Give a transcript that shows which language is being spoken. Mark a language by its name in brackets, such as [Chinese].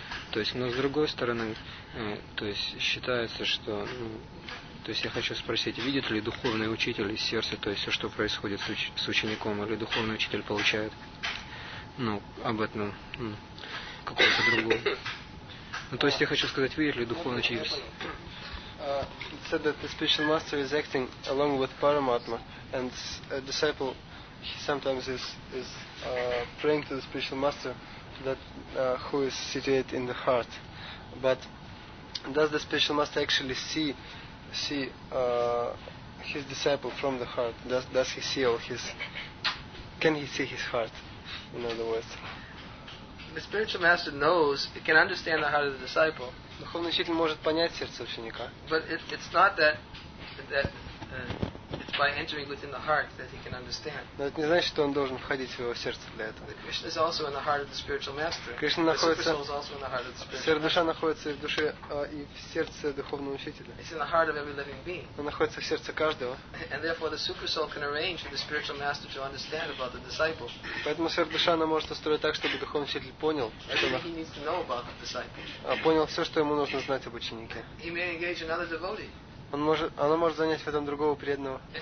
[Russian] То есть, но с другой стороны, то есть считается, что, я хочу спросить, видит ли духовный учитель из сердца, то есть все, что происходит с учеником, или духовный учитель получает, об этом какое-то другое. То есть я хочу сказать, видит ли духовный учитель. [English] It said that the spiritual master is acting along with Paramatma, and a disciple, he sometimes is praying to the spiritual master, who is situated in the heart. But does the spiritual master actually see his disciple from the heart? Does he see all his? Can he see his heart? In other words, the spiritual master knows, he can understand the heart of the disciple. [Russian] Духовный учитель может понять сердце ученика. [English] But it's not that it's by entering within the heart that he can understand. [Russian] Но это не значит, что он должен входить в его сердце для этого. [English] The Krishna is also in the heart of the spiritual master. [Russian] Кришна находится. [English] The Super Soul is also in the heart of the spiritual master. [Russian] Сердце находится в душе и в сердце духовного учителя. [English] It's in the heart of every living being. [Russian] Он находится в сердце каждого. [English] And therefore, the Super Soul can arrange for the spiritual master to understand about the disciple. [Russian] Поэтому сердце может устроить так, чтобы духовный учитель понял. [English] He needs to know about the disciple. [Russian] Понял все, что ему нужно знать об ученике. [English] He may engage another devotee. [Russian] Оно может занять в этом другого преданного.